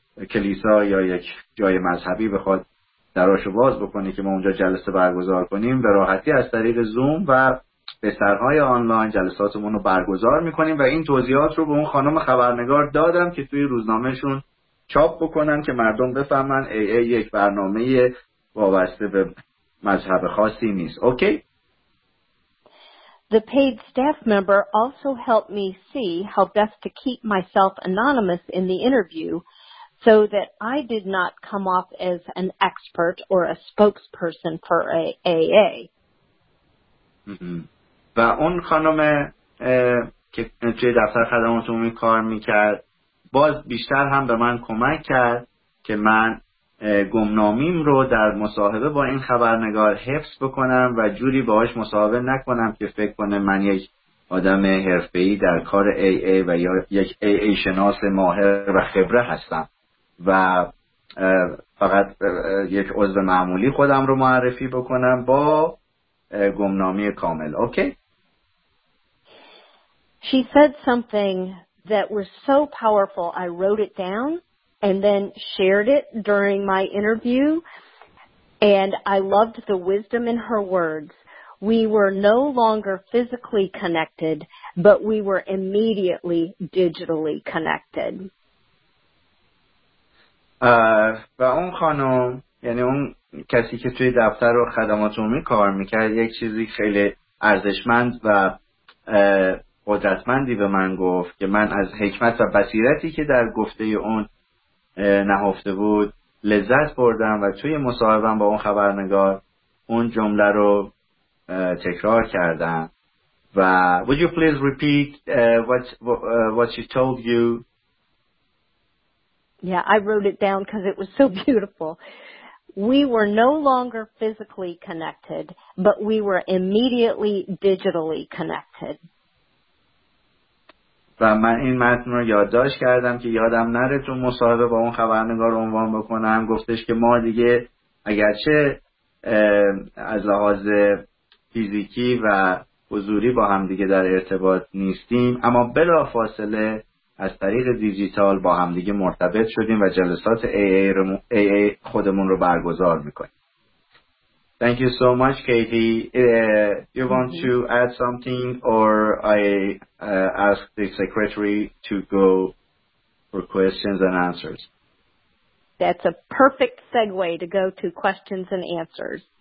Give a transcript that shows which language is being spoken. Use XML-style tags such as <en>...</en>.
<fa>کلیسا یا یک جای مذهبی بخواد دراشو باز بکنه که ما اونجا جلسه برگزار کنیم به راحتی از طریق زوم و بسترهای آنلاین جلساتمون رو برگزار می‌کنیم و این توضیحات رو به اون خانم خبرنگار دادم که توی روزنامه‌شون چاپ بکنن که مردم بفهمن AA یک برنامه وابسته به مذهب خاصی نیست. اوکی؟</fa> <en>The paid staff member also helped me see how best to keep myself anonymous in the interview so that I did not come off as an expert or a spokesperson for AA.</en> <fa>و اون خانم که توی دفتر خدمات عمومی کار میکرد باز بیشتر هم به من کمک کرد که من گمنامیم رو در مصاحبه با این خبرنگار حفظ بکنم و جوری باهاش مصاحبه نکنم که فکر کنه من یک آدم حرفه‌ای در کار AA و یا یک AA شناس ماهر و خبره هستم و فقط یک عضو معمولی خودم رو معرفی بکنم با گمنامی کامل. اوکی؟</fa> <en>She said something that was so powerful, I wrote it down and then shared it during my interview. And I loved the wisdom in her words. We were no longer physically connected, but we were immediately digitally connected.</en> <fa>و اون خانم، یعنی اون کسی که توی دفتر و خدمات عمومی کار میکرد، یک چیزی خیلی ارزشمند و قدرتمندی به من گفت که من از حکمت و بصیرتی که در گفته اون نهفته بود لذت بردم و توی مصاحبم با اون خبرنگار اون جمله رو تکرار کردم. و</fa> <en>would you please repeat what she told you? Yeah, I wrote it down because it was so beautiful. We were no longer physically connected, but we were immediately digitally connected.</en> <fa>و من این متن رو یادداشت کردم که یادم نره تو مصاحبه با اون خبرنگار عنوان بکنم. گفتش که ما دیگه اگرچه از لحاظ فیزیکی و حضوری با هم دیگه در ارتباط نیستیم، اما بلافاصله از طریق دیجیتال با هم دیگه مرتبط شدیم و جلسات AA خودمون رو برگزار میکنیم.</fa> <en>Thank you so much, Katie. You want to add something, or I ask the secretary to go for questions and answers? That's a perfect segue to go to questions and answers.</en>